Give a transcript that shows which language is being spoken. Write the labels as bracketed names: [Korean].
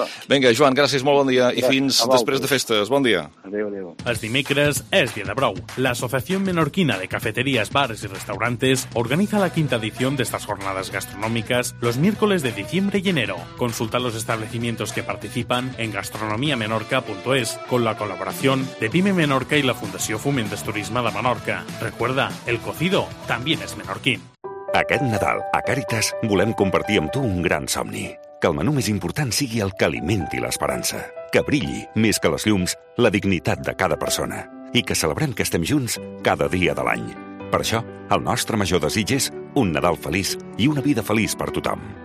[Catalan] vinga, Joan, gràcies, molt bon dia. Gràcies. I fins després de festes. Bon dia. Adéu. Els dimecres és dia de brou. L'Associació Menorquina de Cafeteries, Bars i Restaurantes organitza la quinta edició d'estas jornades gastronòmiques [Spanish] los miércoles de diciembre y enero. Consulta los establecimientos que participan en gastronomiamenorca.es con la colaboración de Pime Menorca y la Fundació Foment del Turisme de Menorca. Recuerda, el cocido también es menorquín. [Catalan] Aquest Nadal, a Càritas, volem compartir amb tu un gran somni. Que el menú més important sigui el que alimenti l'esperança. Que brilli, més que les llums, la dignitat de cada persona. I que celebrem que estem junts cada dia de l'any. Per això, el nostre major desig és un Nadal feliç i una vida feliç per tothom.